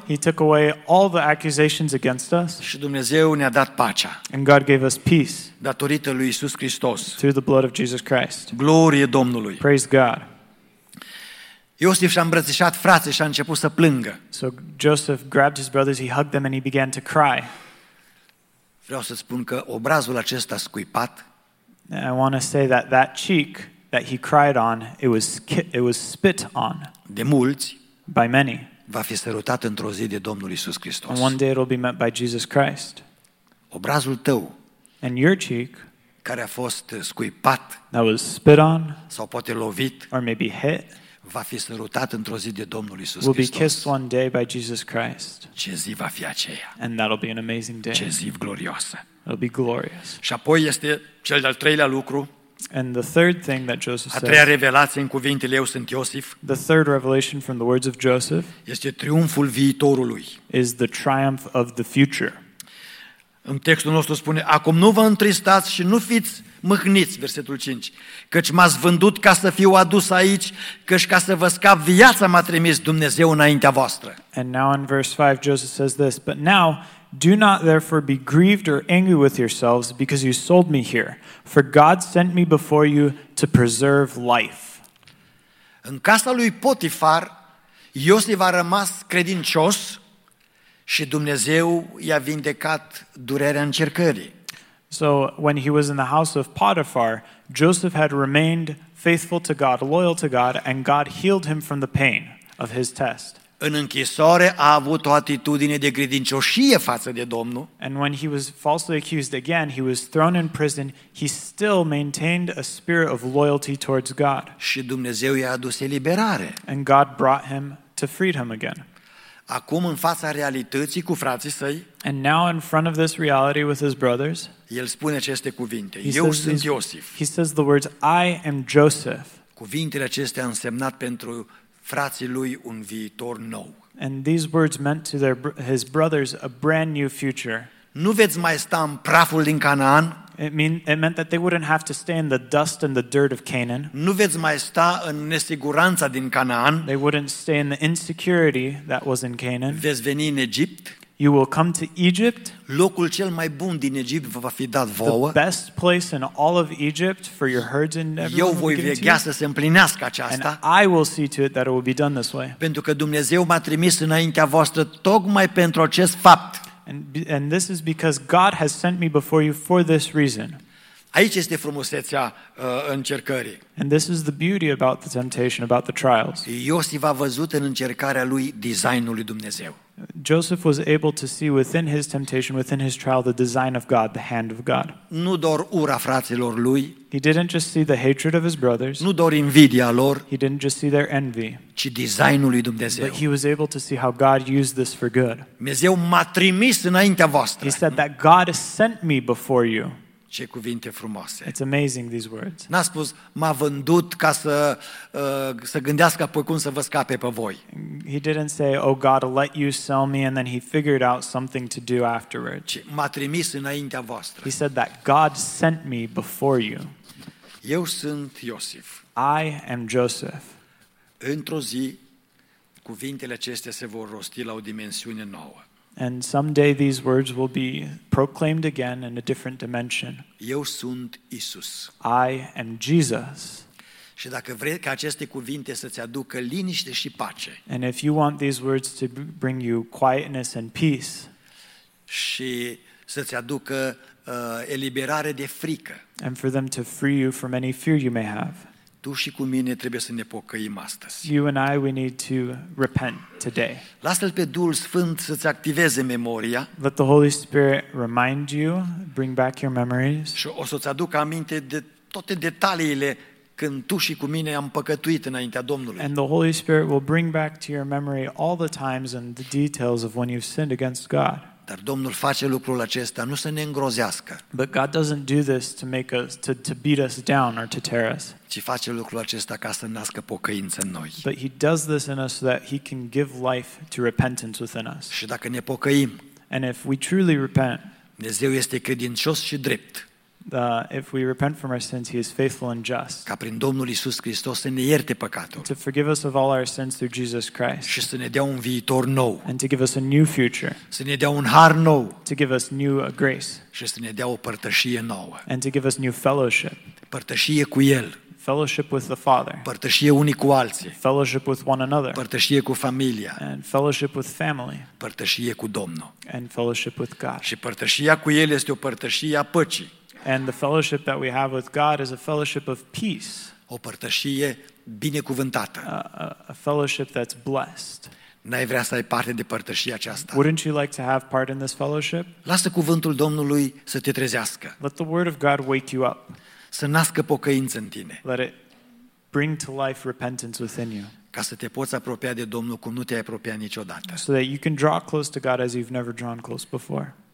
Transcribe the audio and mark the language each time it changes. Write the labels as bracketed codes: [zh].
[en] He took away all the accusations against us. [ro] Și Dumnezeu ne-a dat pacea. [en] And God gave us peace. [ro] Datorită lui Iisus Hristos. [en] Through the blood of Jesus Christ. [ro] Glorie Domnului. [en] Praise God. [ro] Iosif și-a îmbrățișat frații și a început să plângă. [en] So Joseph grabbed his brothers, he hugged them and he began to cry. [ro] Vreau să spun că obrazul acesta scuipat, [en] I want to say that that cheek that he cried on, it was spit on. [ro] De mulți, [en] by many, [ro] va fi sărutat într-o zi de Domnul Iisus Hristos. [en] And one day it will be met by Jesus Christ. [ro] Obrazul tău, [en] and your cheek, [ro] care a fost scuipat, [en] that was spit on, [ro] sau poate lovit, [en] or maybe hit, [ro] va fi sărutat într-o zi de Domnul Iisus Hristos. [en] Will be kissed one day by Jesus Christ. [ro] Ce zi va fi aceea. [en] And that'll be an amazing day. [ro] Ce zi glorioasă. [en] It'll be glorious. [ro] Și apoi este cel de-al treilea lucru. [en] And the third thing that Joseph said. [ro] A treia revelație în cuvintele Eu sunt Iosif. [en] The third revelation from the words of Joseph. [ro] Este triumful viitorului. [en] Is the triumph of the future. [ro] În textul nostru spune: acum nu vă întristați și nu fiți mâhniți, versetul 5, căci m-ați vândut ca să fiu adus aici, căci ca să vă scap viața m-a trimis Dumnezeu înaintea voastră. [en] And now in verse 5 Joseph says this: but now do not therefore be grieved or angry with yourselves because you sold me here, for God sent me before you to preserve life. [ro] În casa lui Potifar, Iosif a rămas credincios și Dumnezeu i-a vindecat durerea încercării. [en] So when he was in the house of Potiphar, Joseph had remained faithful to God, loyal to God, and God healed him from the pain of his test. [ro] În închisoare a avut o atitudine de credincioșie față de Domnul. [en] And when he was falsely accused again, he was thrown in prison, he still maintained a spirit of loyalty towards God. [ro] Și Dumnezeu i-a adus eliberare. [en] And God brought him to freedom again. [ro] Acum în fața realității cu frații săi, [en] and now in front of this reality with his brothers, [ro] el spune aceste cuvinte: Eu sunt Iosif. [en] He says the words, I am Joseph. [ro] Cuvintele acestea au însemnat pentru frații lui un viitor nou. [en] And these words meant to his brothers a brand new future. [ro] Nu veți mai sta în praful din Canaan. [en] It meant that they wouldn't have to stay in the dust and the dirt of Canaan. [ro] Nu veți mai sta în nesiguranța din Canaan. [en] They wouldn't stay in the insecurity that was in Canaan. [ro] Veți veni în Egipt. [en] You will come to Egypt. [ro] Locul cel mai bun din Egipt vă va fi dat vouă. [en] The best place in all of Egypt for your herds and everything. [ro] Eu voi veghea să se împlinească aceasta. [en] And I will see to it that it will be done this way. [ro] Pentru că Dumnezeu m-a trimis înaintea voastră tocmai pentru acest fapt. [en] And this is because God has sent me before you for this reason. [ro] Aici este frumusețea încercării. [en] And this is the beauty about the temptation, about the trials. [ro] Iosif a văzut în încercarea lui designul lui Dumnezeu. [en] Joseph was able to see within his temptation, within his trial, the design of God, the hand of God. [ro] Nu doar ura fraților lui. [en] He didn't just see the hatred of his brothers. [ro] Nu doar invidia lor. [en] He didn't just see their envy. [ro] Ci designul lui Dumnezeu. [en] But he was able to see how God used this for good. [ro] Dumnezeu m-a trimis înaintea voastră. [en] He said that God sent me before you. [ro] Ce cuvinte frumoase. [en] It's amazing these words. [ro] N-a spus m-a vândut ca să gândească apoi cum să vă scape pe voi. [en] He didn't say, oh God, let you sell me, and then he figured out something to do afterwards. [ro] Ci m-a trimis înaintea voastră. [en] He said that God sent me before you. [ro] Eu sunt Iosif. [en] I am Joseph. [ro] Într-o zi cuvintele acestea se vor rosti la o dimensiune nouă. [en] And someday these words will be proclaimed again in a different dimension. [ro] Eu sunt Isus. [en] I am Jesus. [ro] Și dacă vrei ca aceste cuvinte să ți aducă liniște și pace. [en] And if you want these words to bring you quietness and peace. [ro] Și să ți aducă eliberare de frică. [en] And for them to free you from any fear you may have. [ro] Tu și cu mine trebuie să ne pocăim astăzi. [en] You and I, we need to repent today. [ro] Lasă-l pe Duhul Sfânt să-ți activeze memoria. [en] Let the Holy Spirit remind you, bring back your memories. [ro] Și o să-ți aduc aminte de toate detaliile când tu și cu mine am păcătuit înaintea Domnului. [en] And the Holy Spirit will bring back to your memory all the times and the details of when you've sinned against God. [ro] Dar Domnul face lucrul acesta nu să ne îngrozească. [en] But God doesn't do this to make us to beat us down or to tear us. [ro] Ci face lucrul acesta ca să nască pocăință în noi. [en] But he does this in us so that he can give life to repentance within us. [ro] Și dacă ne pocăim, [en] and if we truly repent, [ro] Dumnezeu este credincios și drept. [en] If we repent from our sins, he is faithful and just. [ro] Ca prin Domnul Iisus Hristos să ne ierte păcatul. [en] To forgive us of all our sins through Jesus Christ. [ro] Și să ne dea un viitor nou. [en] And to give us a new future. [ro] Să ne dea un har nou. [en] To give us new grace. [ro] Și să ne dea o părtășie nouă. [en] And to give us new fellowship. [ro] Părtășie cu El. [en] Fellowship with the Father. [ro] Părtășie unii cu alții. [en] Fellowship with one another. [ro] Părtășie cu familia. [en] And fellowship with family. [ro] Părtășie cu Domnul. [en] And fellowship with God. [ro] Și părtășia cu El este o părtășie a păcii. [en] And the fellowship that we have with God is a fellowship of peace. [ro] O părtășie binecuvântată. [en] A fellowship that's blessed. [ro] N-ai vrea să ai parte de părtășia aceasta? [en] Wouldn't you like to have part in this fellowship? [ro] Lasă cuvântul Domnului să te trezească. [en] Let the word of God wake you up. [ro] Să nască pocăință în tine. [en] Let it bring to life repentance within you. [ro] Ca să te poți apropia de Domnul cum nu te-ai apropiat niciodată. [en] So that you can draw close to God as you've never drawn close before.